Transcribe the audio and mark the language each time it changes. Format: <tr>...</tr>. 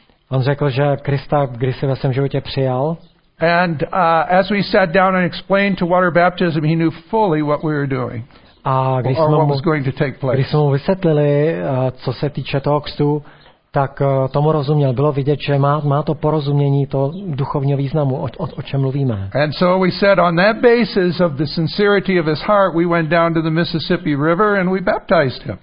<cs>On řekl, že Krista kdysi ve svém životě přijal.</cs> <en>And as we sat down and explained to water baptism, he knew fully what we were doing.</en> <cs>A když jsme mu, vysvětlili, co se týče toho křtu, tak tomu rozuměl. Bylo vidět, že má to porozumění to duchovního významu, o čem mluvíme.</cs> <en>And so we said on that basis of the sincerity of his heart, we went down to the Mississippi River and we baptized him.</en>